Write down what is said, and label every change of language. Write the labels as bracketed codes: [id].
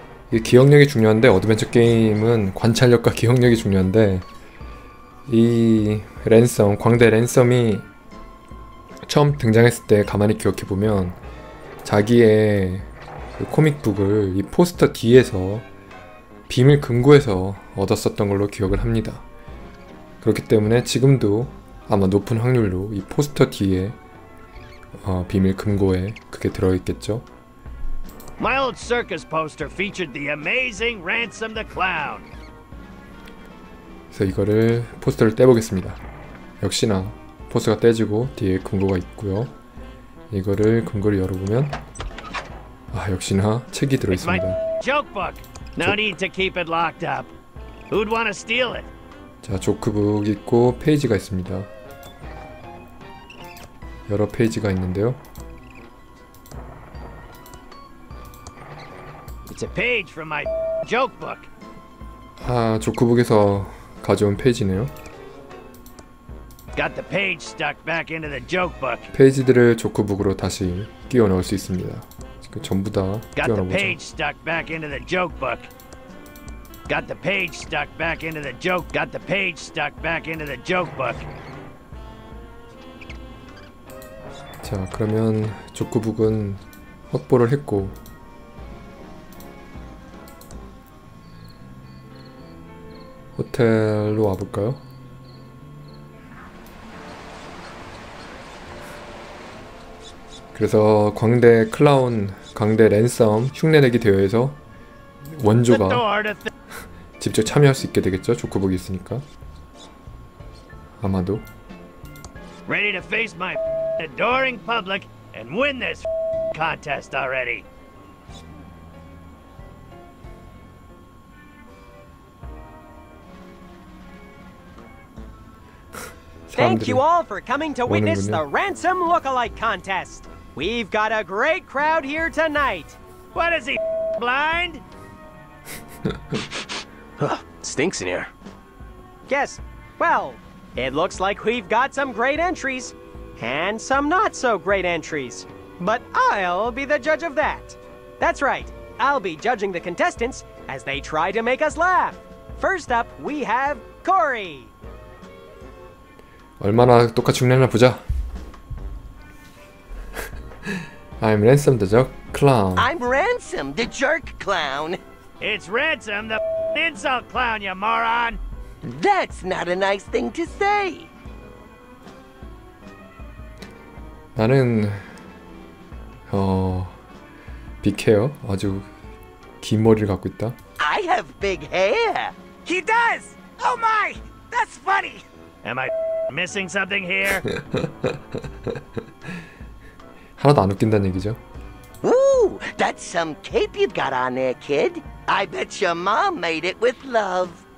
[ko] 이게 기억력이 중요한데, 어드벤처 게임은 관찰력과 기억력이 중요한데, 이 랜섬, 광대 랜섬이 처음 등장했을 때 가만히 기억해보면 자기의 그 코믹북을 이 포스터 뒤에서 비밀 금고에서 얻었었던 걸로 기억을 합니다. 그렇기 때문에 지금도 아마 높은 확률로 이 포스터 뒤에 비밀 금고에 그게 들어있겠죠. [en] My old circus poster featured the amazing Ransom the Clown. [ko] 그래서 이거를 포스터를 떼보겠습니다. 역시나 포스터가 떼지고 뒤에 금고가 있고요. 이거를 금고를 열어보면 역시나 책이 들어있습니다. [en] No need to keep it locked up. Who'd want to steal it? [ko] 자, 조크북 있고 페이지가 있습니다. 여러 페이지가 있는데요. [en] It's a page from my joke book. [ko] 아, 조크북에서 가져온 페이지네요. [en] Got the page stuck back into the joke book. [ko] 페이지들을 조크북으로 다시 끼워 넣을 수 있습니다. 지금 전부 다 끼워 넣어 보죠. [en] Got the page stuck back into the joke book. Got the page stuck back into the joke. Got the page stuck back into the joke book. [ko] 자, 그러면 조크북은 확보를 했고. 호텔로 와볼까요? 그래서 광대 클라운, 광대 랜섬 흉내내기 대회에서 원조가 직접 참여할 수 있게 되겠죠? 조크북이 있으니까 아마도. [en] Ready to face my adoring public and win this contest already. [ko] 사람들을 [en] Thank you all for coming to witness the ransom look-alike contest. We've got a great crowd here tonight. What is he blind? stinks in here. Yes. Well, it looks like we've got some great entries and some not so great entries. But I'll be the judge of that. That's right. I'll be judging the contestants as they try to make us laugh. First up, we have Corey. [ko] 얼마나 똑같이 죽느냐 보자. [en] I'm Ransom the Jerk Clown. I'm Ransom the Jerk Clown. It's Ransom the Insult Clown, you moron. That's not a nice thing to say. [ko] 나는 [en] big hair. [ko] 아주 긴 머리를 갖고 있다. [en] I have big hair. He does. Oh my, that's funny. Am I missing something here? [ko] 하나도 안 웃긴다는 얘기죠. [en] Ooh, that's some cape you've got on there, kid. I bet your mom made it with love.